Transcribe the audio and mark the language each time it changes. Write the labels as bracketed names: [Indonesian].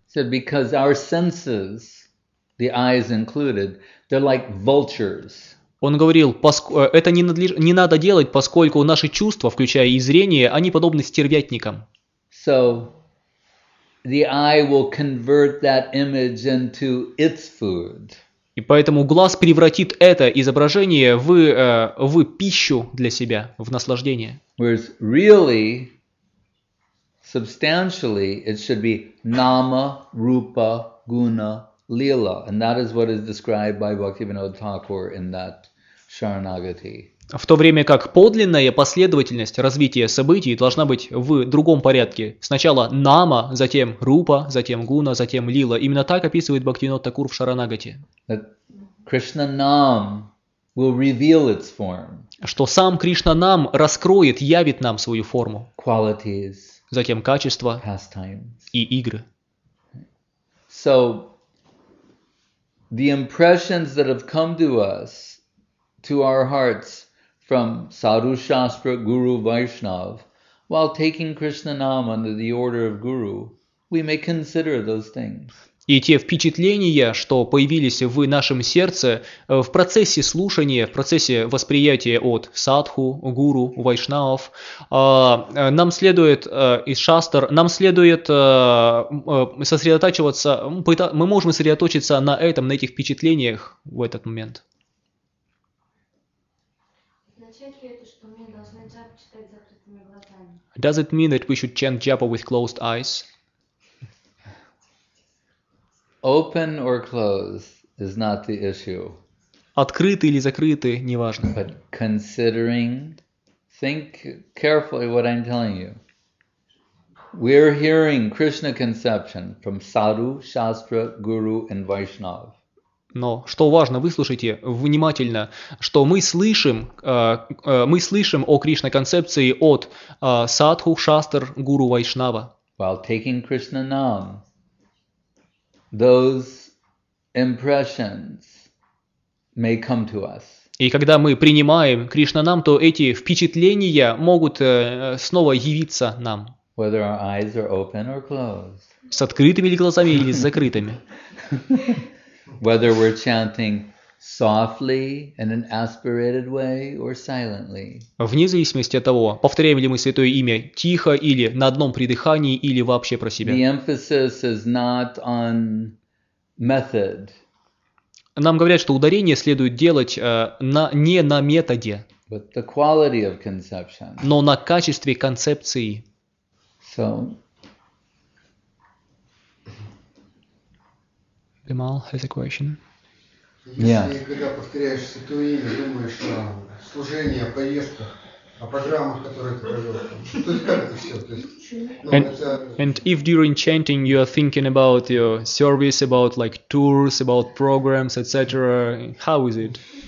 [English] Said, because our senses, the eyes included, they're like vultures. [Russian] Он говорил, это не надо делать, поскольку наши чувства, включая и зрение, они подобны стервятникам. [English] So, the eye will convert that image into its food. [Russian] И поэтому глаз превратит это изображение в пищу для себя, в наслаждение. [English] Whereas really, substantially, it should be nama, rupa, guna, lila. And that is what is described by Bhaktivinoda Thakur in that Sharanagati. [Russian] В то время как подлинная последовательность развития событий должна быть в другом порядке. Сначала нама, затем рупа, затем гуна, затем лила. Именно так описывает Бхактивинода Такур в Шаранагати. [English] Кришна-нам will reveal its form. [Russian] Что сам Кришна-нам раскроет, явит нам свою форму. [English] Qualities, [Russian] затем качество [English] pastimes. [Russian] И игры. [English] So, the impressions that have come to us to our hearts from Sadhu Shastra Guru Vaishnav, while taking Krishna Nam under the order of Guru, we may consider those things. [Russian] И те впечатления, что появились в нашем сердце в процессе слушания, в процессе восприятия от садху, гуру, вайшнавов, нам следует, из шастр, нам следует сосредотачиваться, мы можем сосредоточиться на этом, на этих впечатлениях в этот момент. [English] Does it mean that we should chant japa with closed eyes? Open or closed is not the issue. [Russian] Открытый или закрытый, неважно. [English] But considering, think carefully what I'm telling you. We're hearing Krishna conception from Sadhu, Shastra, Guru and Vaishnav. [Russian] Но что важно, выслушайте внимательно, что мы слышим о Кришна концепции от садху, шастр, гуру Вайшнава. [English] While taking Krishna Nam, those impressions may come to us. [Russian] И когда мы принимаем Кришна Нам, то эти впечатления могут снова явиться нам. [English] Whether our eyes are open or closed. [Russian] С открытыми ли глазами или с закрытыми. [English] Whether we're chanting softly in an aspirated way or silently. [Russian] Вне зависимости от того, повторяем ли мы святое имя тихо или на одном придыхании или вообще про себя. [English] The emphasis is not on method. [Russian] Нам говорят, что ударение следует делать не на методе. [English] But the quality of conception. [Russian] Но на качестве концепции. [English] So, Vimal has a question. [Russian] Если когда повторяешь святое имя, думаешь о служении, о поездках, о программах, которые ты провел, то есть как это все? То есть, [English] And if during chanting you are thinking about your service, about like tours, about programs, etc., how is it?